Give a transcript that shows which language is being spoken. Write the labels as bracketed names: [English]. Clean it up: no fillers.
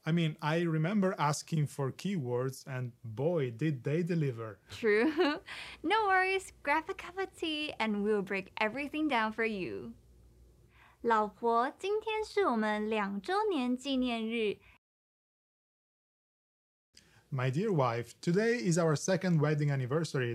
[English] I mean, I remember asking for keywords, and boy, did they deliver. True. No worries, grab a cup of tea, and we'll break everything down for you. [Chinese] 老婆，今天是我们2周年纪念日。 [English] My dear wife, today is our second wedding anniversary.